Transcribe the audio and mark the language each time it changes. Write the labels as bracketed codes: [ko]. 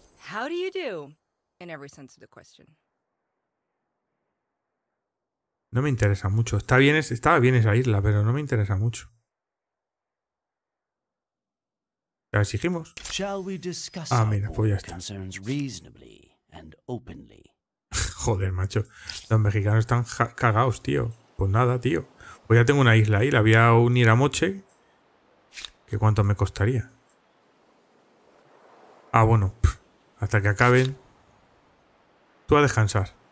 [en] How do you do in every sense of the question? [es] No me interesa mucho. Estaba bien esa isla, pero no me interesa mucho. ¿La exigimos? [en] Shall we discuss concerns reasonably and openly? [es] Joder, macho. Los mexicanos están cagados, tío. Pues nada, tío. Pues ya tengo una isla ahí. La voy a unir a Moche. ¿Qué cuánto me costaría? Ah, bueno. Hasta que acaben. Tú a descansar.